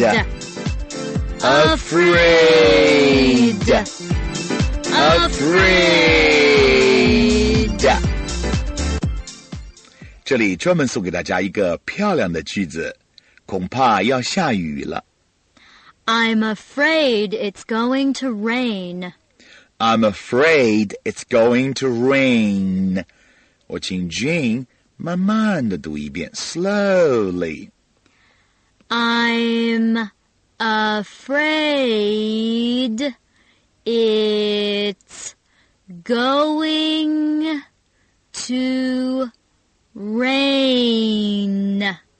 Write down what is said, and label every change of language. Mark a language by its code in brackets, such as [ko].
[en] Afraid. Afraid. [zh] 这里专门送给大家一个漂亮的句子，恐怕要下雨了。 [en] I'm afraid it's going to rain. I'm afraid it's going to rain. [zh] 我请 Jean 慢慢地读一遍 [en] slowly. I'm afraid it's going to rain.